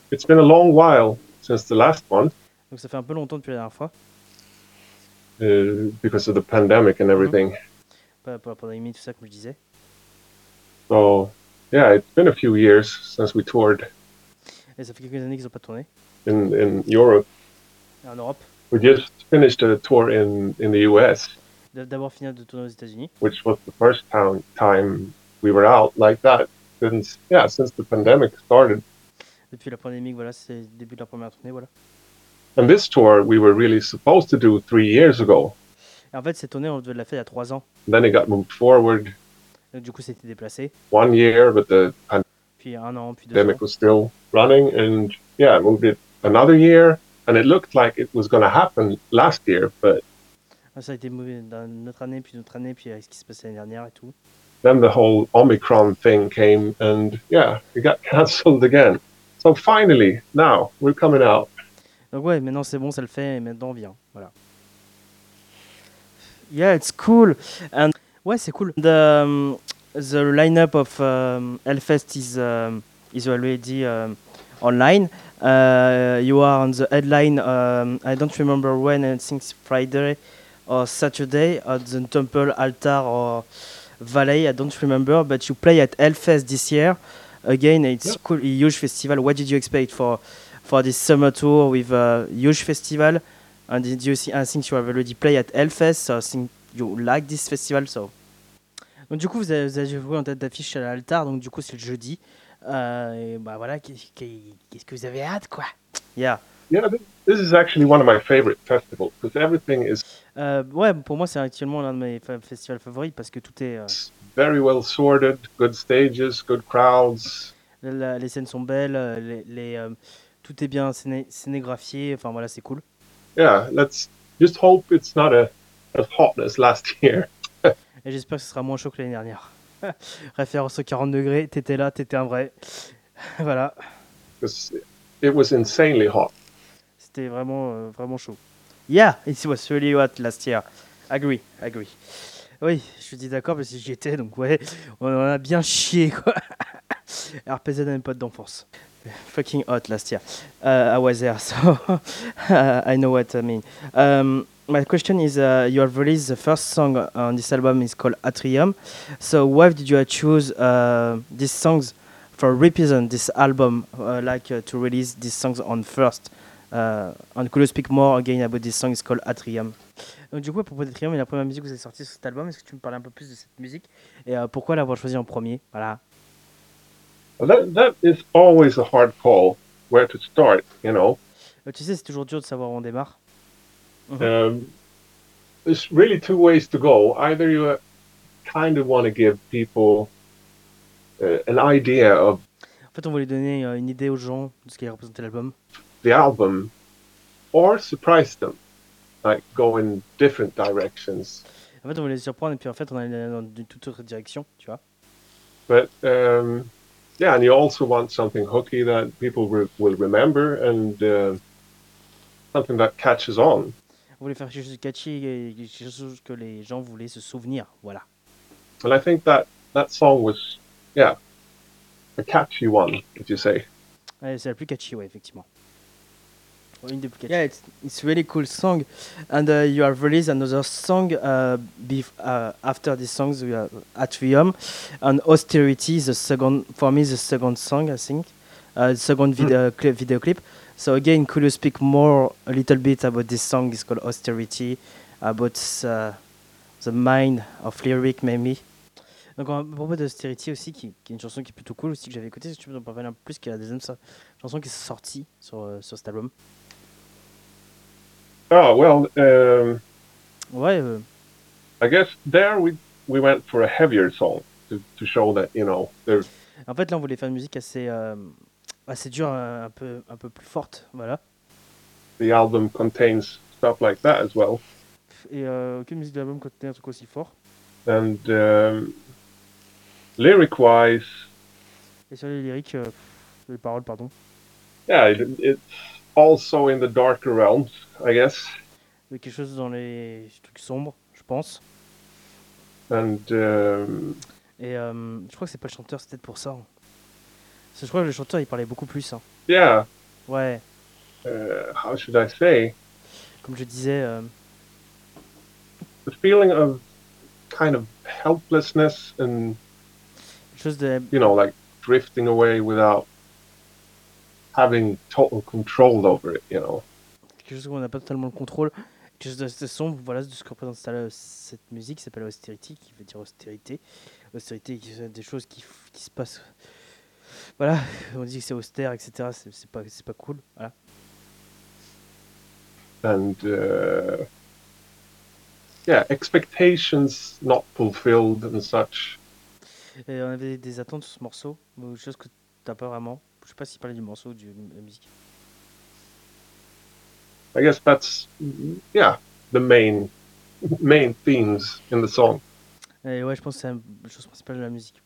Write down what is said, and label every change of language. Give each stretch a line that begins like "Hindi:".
English: It's been a long while since the last one.
French: Donc ça fait un peu longtemps depuis la dernière fois.
English: Because of the pandemic and everything.
French: Par rapport à l'émission, tout ça, comme je disais.
English: So, yeah, it's been a few years since we toured.
French: Et ça fait quelques années qu'ils n'ont pas tourné.
English: In Europe.
French: En Europe.
English: We just finished a tour in the US.
French: D'abord fini de tourner aux États-Unis.
English: Which was the first time we were out like that. since the pandemic started.
French: Depuis la pandémie, voilà, c'est le début de la première tournée, voilà.
English: And this tour, we were really supposed to do 3 years ago.
French: Et en fait, cette tournée, on devait la faire il y a 3 ans.
English: Then it got moved forward.
French: Donc, du coup, c'était déplacé.
English: 1 year, but the
French: puis un an, puis
English: pandemic
French: ans.
English: Was still running, and yeah, it moved it another year, and it looked like it was going to happen last year, but
French: ça a été mouvé dans notre année, puis ce qui se passait l'année dernière et tout.
English: Then the whole Omicron thing came, and yeah, it got cancelled again. So finally, now, we're coming out.
French: Donc ouais, maintenant c'est bon, ça le fait, et maintenant on vient, voilà.
English: Yeah, it's cool. And
French: ouais, c'est cool.
English: The lineup of Hellfest is already online. You are on the headline, I don't remember when, I think it's Friday or Saturday, at the Temple Altar or Valley, I don't remember, but you play at Hellfest this year. Again, it's cool, a huge festival. What did you expect for this summer tour with a huge festival? And did you see, I think you have already played at Hellfest, so I think you like this festival. So.
French: Donc, du coup, vous avez joué en tête d'affiche à l'Altar, donc du coup, c'est le jeudi. Voilà, qu'est-ce que vous avez hâte, quoi?
English: Yeah. Yeah, this is actually one of my favorite festivals because everything is.
French: Pour moi, c'est actuellement l'un de mes festivals favoris parce que tout est.
English: Very well sorted, good stages, good crowds.
French: Les scènes sont belles, tout est bien scénographié. Enfin voilà, c'est cool.
English: Yeah, let's just hope it's not as hot as last year.
French: Et j'espère que ce sera moins chaud que l'année dernière. Référence aux 40 degrés, t'étais là, t'étais un vrai. Voilà.
English: It was insanely hot.
French: C'était vraiment, vraiment chaud.
English: Yeah, it was really hot last year. Agree.
French: Oui, je suis d'accord parce que j'y étais, donc ouais, on en a bien chié, quoi. RPZ n'a même pas de dents force.
English: Fucking hot last year. I was there, so I know what I mean. My question is, you have released the first song on this album, it's called Atrium. So why did you choose these songs for represent this album, to release these songs on first? And could you speak more again about this song, it's called Atrium?
French: Donc du coup, à propos d'Atrium, la première musique que vous avez sortie sur cet album, est-ce que tu me parles un peu plus de cette musique et pourquoi l'avoir choisi en premier? Voilà.
English: That is always a hard call, where to start, you know.
French: Tu sais, c'est toujours dur de savoir où on démarre.
English: There's really two ways to go. Either you kind of want to give people an idea of.
French: En fait, on voulait donner une idée aux gens de ce qu'il représentait l'album.
English: The album, or surprise them, like go in different directions.
French: En fait, on voulait les surprendre et puis en fait, on allait dans une toute autre direction, tu vois.
English: But yeah, and you also want something hooky that people will remember and something that catches on.
French: On voulait faire quelque chose de catchy et quelque chose que les gens voulaient se souvenir, voilà.
English: And I think that song was, a catchy one, if you say.
French: Ouais, c'est la plus catchy, ouais, effectivement. Une des plus catchy.
English: Yeah, it's a really cool song. And you have released another song after this song, we have Atrium. And Austerity is the second, for me, the second song, I think. The second video clip. So again, could you speak more a little bit about this song? It's called Austerity, about the mind of lyric, maybe.
French: Donc à propos d'Austerity aussi, qui est une chanson qui est plutôt cool aussi que j'avais écoutée, si tu peux en parler un peu plus, qui est la deuxième chanson qui est sortie sur cet album.
English: Oh well.
French: Ouais.
English: I guess there we went for a heavier song to show that, you know, there's.
French: En fait, là, on voulait faire une musique assez. C'est dur, un peu plus forte, voilà.
English: The album contains stuff like that as well.
French: Et aucune musique de l'album contenait un truc aussi fort.
English: And lyric-wise.
French: Et sur les lyriques, les paroles, pardon.
English: Yeah, it's also in the darker realms, I guess.
French: Il y a quelque chose dans les trucs sombres, je pense.
English: And.
French: Je crois que c'est pas le chanteur, c'est peut-être pour ça. Hein. Je crois que le chanteur il parlait beaucoup plus. Hein.
English: Yeah.
French: Ouais.
English: How should I say?
French: Comme je disais.
English: The feeling of kind of helplessness and.
French: Chose de.
English: You know, like drifting away without having total control over it, you know.
French: Quelque chose où on n'a pas totalement le contrôle. Quelque chose de sombre, voilà de ce que représente cette musique qui s'appelle Austerity, qui veut dire austérité. Austérité, des choses qui se passent. voilà, on dit que c'est austère, etc. C'est pas cool. Voilà.
English: And yeah, expectations not fulfilled and such.
French: Et on avait des attentes sur ce morceau, ou chose que t'as pas vraiment. Je sais pas si tu parlais du morceau ou de la musique.
English: I guess that's yeah, the main themes in the song.
French: Et ouais, je pense que c'est la chose principale de la musique.